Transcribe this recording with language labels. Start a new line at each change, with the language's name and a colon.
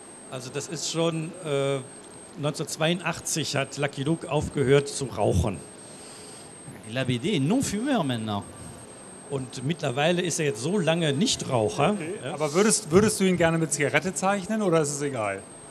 German: Also das ist schon 1982 hat Lucky Luke aufgehört zu rauchen.
French: La BD est non fumeur maintenant.
German: Und mittlerweile ist er jetzt so lange Nichtraucher. Okay. Ja. Aber würdest du ihn gerne mit Zigarette zeichnen oder ist es egal?